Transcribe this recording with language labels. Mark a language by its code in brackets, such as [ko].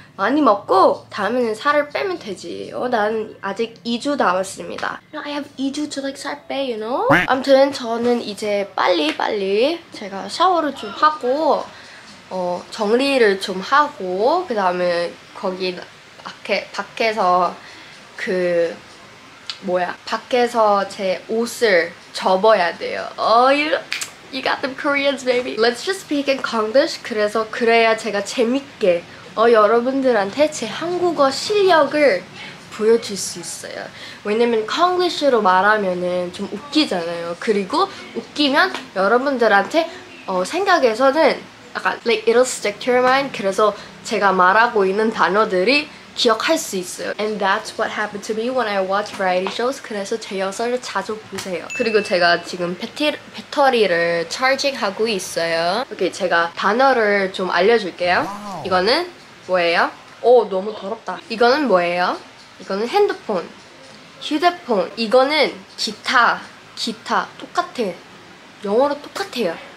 [ko] 많이 먹고 다음에는 살을 빼면 되지. 난 아직 2주 남았습니다. [en] I have [ko] 2주 [en] to like [ko] 살 빼, [en] you know? [ko] 아무튼 저는 이제 빨리 제가 샤워를 좀 하고 정리를 좀 하고 그 다음에 거기 밖에서 그 뭐야? 밖에서 제 옷을 접어야 돼요. [en] You got them Koreans, baby. Let's just speak in Konglish. [ko] 그래서 그래야 제가 재밌게 여러분들한테 제 한국어 실력을 보여줄 수 있어요. 왜냐면 Konglish로 말하면은 좀 웃기잖아요. 그리고 웃기면 여러분들한테 생각에서는 약간 [en] like it'll stick to your mind. [ko] 그래서 제가 말하고 있는 단어들이 기억할 수 있어요. [en] And that's what happened to me when I watch variety shows. [ko] 그래서 제 영상을 자주 보세요. 그리고 제가 지금 배터리를 charging하고 있어요. 오케이, 제가 단어를 좀 알려줄게요. 이거는 뭐예요? 오, 너무 더럽다. 이거는 뭐예요? 이거는 핸드폰, 휴대폰. 이거는 기타. 똑같아. 영어로 똑같아요.